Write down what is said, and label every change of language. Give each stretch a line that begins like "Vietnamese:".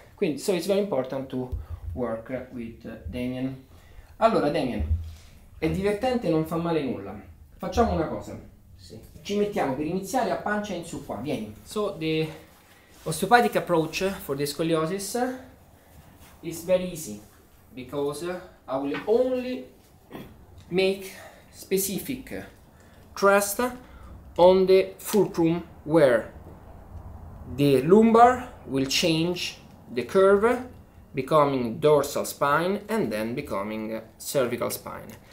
Italian: Quindi
English: so it's very important to work with Damian.
Italian: Allora Damian, è divertente, non fa male nulla. Facciamo una cosa. Sì. Ci mettiamo per iniziare a pancia in su qua. Vieni.
English: So the osteopathic approach for the scoliosis is very easy because I will only make specific thrust on the fulcrum where the lumbar will change the curve becoming dorsal spine and then becoming cervical spine.